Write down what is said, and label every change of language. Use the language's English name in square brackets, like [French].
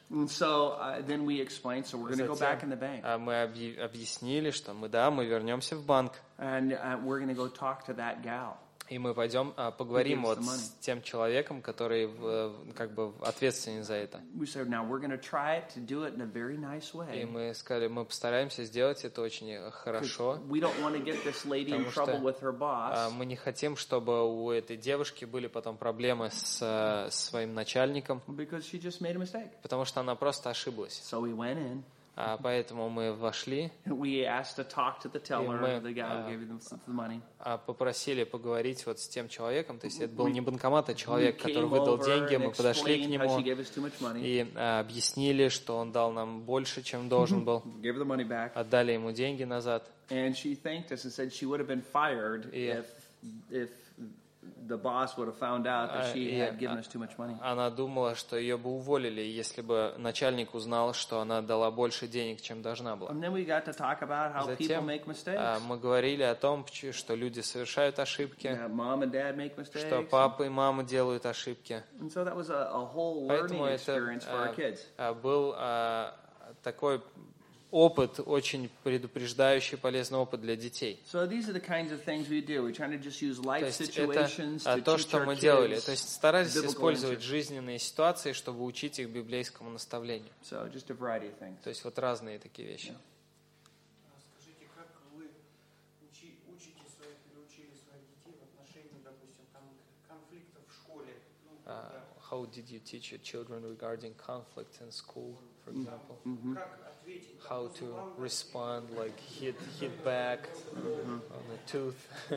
[English] And so then we explained, so we're going to go back in the bank. [Russian] Мы объяснили, что мы да, мы вернемся в банк. [English] And we're going to go talk to that gal. [Russian] И мы пойдем поговорим вот с тем человеком, который как бы ответственен за это. [English] We said, now we're going to try to do it in a very nice way. [Russian] И мы сказали, мы постараемся сделать это очень хорошо. [English] We don't want to get this lady in trouble with her boss. [Russian] Мы не хотим, чтобы у этой девушки были потом проблемы с своим начальником. [English] Because she just made a mistake. [Russian] Потому что она просто ошиблась. [English] So we went in. [Russian] Поэтому мы вошли. [English] We asked to talk to the teller, the guy who gave them the money. [Russian] Попросили поговорить вот с тем человеком, то есть это был не банкомат, а человек, который выдал деньги, мы подошли к нему и объяснили, что он дал нам больше, чем должен был. [English] Gave the money back. [Russian] Отдали ему деньги назад. [English] And she thanked us and said she would have been fired if the boss would have found out that she had given us too much money. [Russian] Она думала, что ее бы уволили, если бы начальник узнал, что она дала больше денег, чем должна была. [English] And then we got to talk about how people make mistakes. [Russian] Мы говорили о том, что люди совершают ошибки. [English] Mom and dad make mistakes. [Russian] Что папа и мама делают ошибки. [English] And so that was a whole learning experience for our kids. [Russian] Был такой опыт, очень предупреждающий, полезный опыт для детей. [English] So these are the kinds of things we do. We're trying to just use life situations to teach our kids. [Russian] То, что мы делали, то есть старались использовать жизненные ситуации, чтобы учить их библейскому наставлению. [English] So just a variety of things. [Russian] То есть вот разные такие вещи. Скажите, как вы учите своих или учили своих детей в отношении, допустим, там конфликтов в школе? [English] How did you teach your children regarding conflict in school, for example? How to respond, like hit back on the tooth.